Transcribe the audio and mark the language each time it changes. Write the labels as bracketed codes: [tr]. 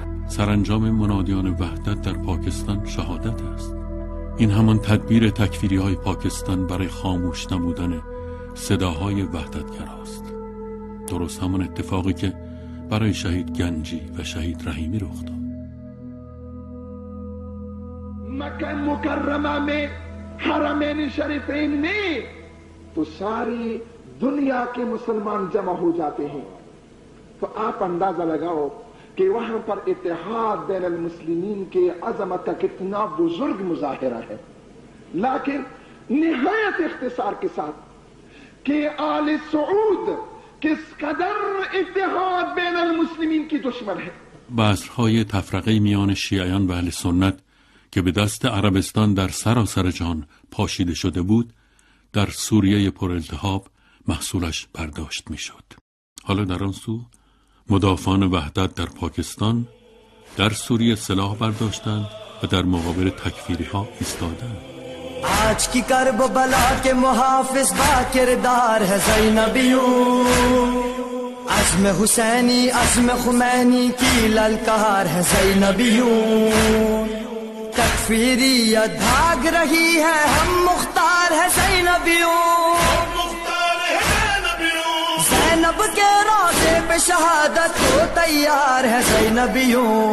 [fa] سرانجام منادیان وحدت در پاکستان شهادت است. این همان تدبیر تکفیری های پاکستان برای خاموش نمودن صداهای وحدتگرا است. درست همان اتفاقی که برای شهید گنجی و شهید رحیمی رخ داد. [ur] مکه مکرمه میں حرمین شریفین میں تو ساری دنیا کے مسلمان جمع ہو جاتے ہیں، تو آپ اندازہ لگاؤ کہ وہاں پر اتحاد بین المسلمین کے عظمت کا کتنا بزرگ مظاہرہ ہے. لیکن نہایت اختصار کے ساتھ کہ آل سعود کس قدر اتحاد بین المسلمین کی دشمن ہے. [fa] بذرهای تفرقه میان شیعیان و اهل سنت که به دست عربستان در سراسر جهان پاشیده شده بود در سوریه پرالتهاب محصولش برداشت می شد. حالا در آن سو مدافعان وحدت در پاکستان در سوریه سلاح برداشتند و در مقابل تکفیری ها ایستادند. [ur] آج کی کربلا کے محافظ با کردار ہے زینبیوں، عزم حسینی عزم خمینی کی للکار ہے زینبیوں، تکفیری یا دھاگ رہی ہے ہم مختار ہے زینبیوں زینب کے روضے پہ شہادت ہو تیار ہے زینبیوں